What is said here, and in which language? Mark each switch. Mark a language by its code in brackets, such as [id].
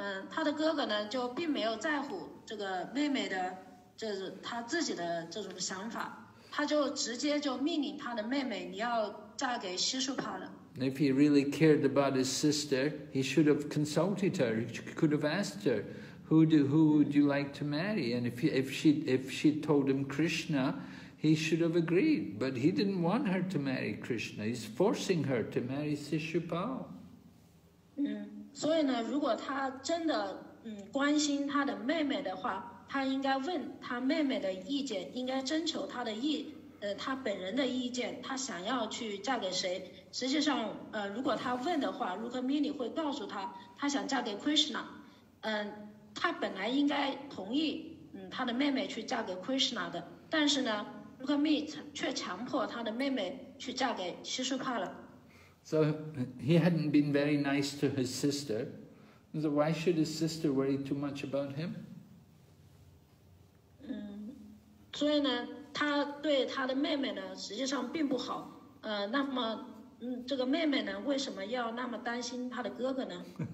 [zh] 他的哥哥呢，就并没有在乎这个妹妹的，这是他自己的这种想法。他就直接就命令他的妹妹，你要嫁给西树帕了。 [en] If he really cared about his sister, he should have consulted her. He could have asked her, who would you like to marry? And if she told him Krishna, he should have agreed. But he didn't want her to marry Krishna. He's forcing her to marry 西树帕。 [zh] 所以呢，如果他真的关心他的妹妹的话，他应该问他妹妹的意见，应该征求他的他本人的意见，他想要去嫁给谁。实际上，如果他问的话，如果 Mini 会告诉他想嫁给 Krishna， 他本来应该同意，他的妹妹去嫁给 Krishna 的，但是呢，如果 Mini 却强迫他的妹妹去嫁给西苏帕了。 [en] So he hadn't been very nice to his sister. So why should his sister worry too much about him? [zh] 所以呢，他对他的妹妹呢，实际上并不好。那么，这个妹妹呢，为什么要那么担心他的哥哥呢？